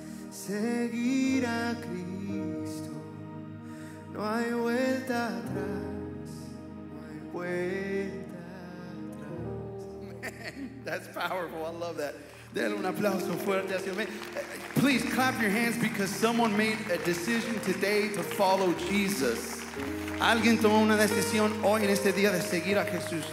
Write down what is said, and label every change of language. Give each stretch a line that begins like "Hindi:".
Spanish: seguir a Cristo, no hay vuelta atrás, no hay vuelta atrás.
English: Man, that's powerful. I love that.
Spanish: Denle un aplauso fuerte a Dios.
English: Please clap your hands because someone made a decision today to follow Jesus.
Spanish: Alguien tomó una decisión hoy en este día de seguir a Jesús.